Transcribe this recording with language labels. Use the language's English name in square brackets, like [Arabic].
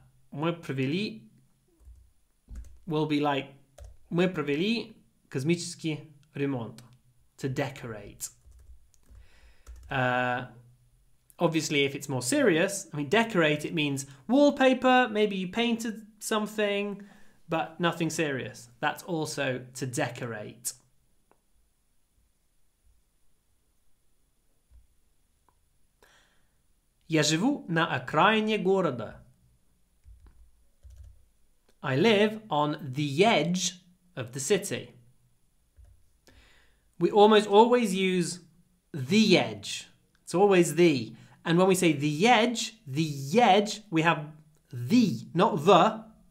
[Russian] Мы провели косметический ремонт. [English] To decorate. Obviously, if it's more serious, I mean, decorate, it means wallpaper, maybe you painted something, but nothing serious. That's also to decorate. [Russian] Я живу на окраине города. [English] I live on the edge of the city. We almost always use the edge. It's always the. And when we say the edge, we have the, not the.